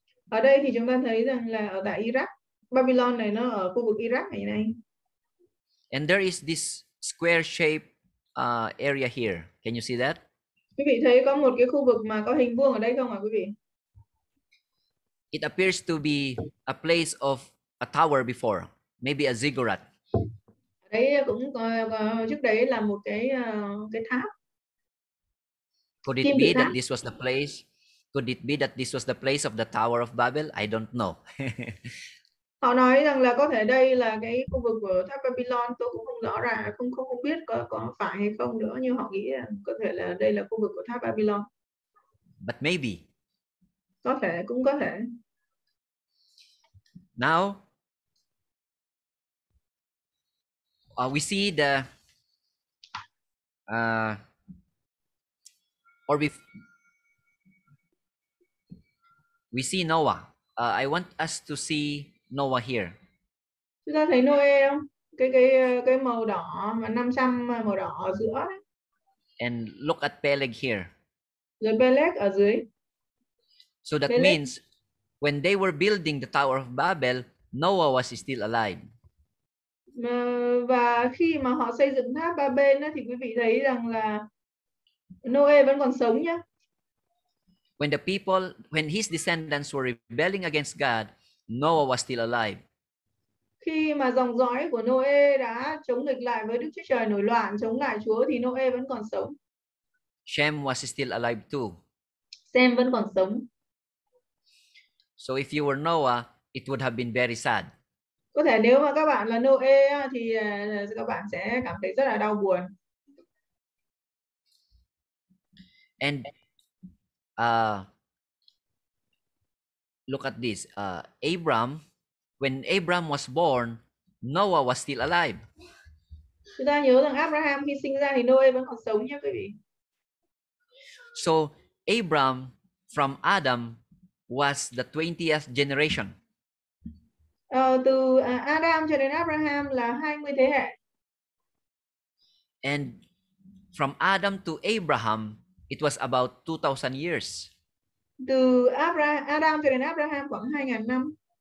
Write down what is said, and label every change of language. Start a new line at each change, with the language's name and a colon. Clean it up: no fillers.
Vietnamese: Ở đây thì chúng ta thấy rằng là ở tại Iraq, Babylon này nó ở khu vực Iraq ngày nay.
English: And there is this square shape area here. Can you see that?
Vietnamese: Quý vị thấy có một cái khu vực mà có hình vuông ở đây không ạ quý vị?
English: It appears to be a place of a tower before, maybe a ziggurat.
Vietnamese: Đấy cũng trước đấy là một cái tháp.
English: Could it be that this was the place? Could it be that this was the place of the Tower of Babel? I don't know.
Vietnamese: Họ nói rằng là có thể đây là cái khu vực của tháp Babylon, tôi cũng không rõ ràng, không biết có phải hay không nữa, nhưng họ nghĩ có thể là đây là khu vực của tháp Babylon.
English: But maybe.
Vietnamese: Có thể, cũng có thể.
English: Now we see the we see Noah. I want us to see Noah here.
Vietnamese: Chúng ta thấy Noah không? Cái màu đỏ mà 500 màu đỏ ở giữa đấy.
English: And look at Peleg here.
Vietnamese: Rồi Peleg ở dưới.
English: So that Peleg means when they were building the Tower of Babel, Noah was still alive.
Vietnamese: Và khi mà họ xây dựng tháp Ba Bên thì quý vị thấy rằng là Noe vẫn còn sống nhá.
English: When the people, when his descendants were rebelling against God, Noah was still alive.
Vietnamese: Khi mà dòng dõi của Noe đã chống nghịch lại với Đức Chúa Trời, nổi loạn chống lại Chúa, thì Noe vẫn còn sống.
English: Shem was still alive too.
Vietnamese: Shem vẫn còn sống.
English: So if you were Noah, it would have been very sad.
Vietnamese: Có thể nếu mà các bạn là Noe thì các bạn sẽ cảm thấy rất là đau buồn.
English: And look at this. Abram, when Abram was born, Noah was still alive.
Vietnamese: Chúng ta nhớ rằng Abraham khi sinh ra thì Noe vẫn còn sống nhé quý vị.
English: So Abram from Adam was the 20th generation.
Vietnamese: Từ Adam cho đến Abraham là 20 thế hệ.
English: And from Adam to Abraham, it was about 2000 years.
Vietnamese: Từ Adam cho đến Abraham khoảng 2000 năm.